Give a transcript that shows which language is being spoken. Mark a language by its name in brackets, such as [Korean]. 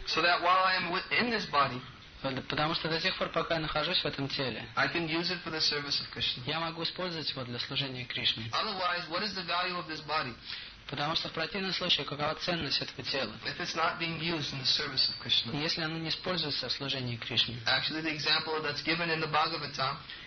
[English] So that while I am within this body, [Russian] потому что до тех пор, пока я нахожусь в этом теле, [English] I can use it for the service of Krishna. [Russian] Я могу использовать его для служения Кришне. [English] Otherwise, what is the value of this body? [Russian] Потому что в противном случае, какова ценность этого тела? [English] If it's not being used in the service of Krishna. [Russian] Если оно не используется в служении Кришне. [English] Actually, the example that's given in the Bhagavatam,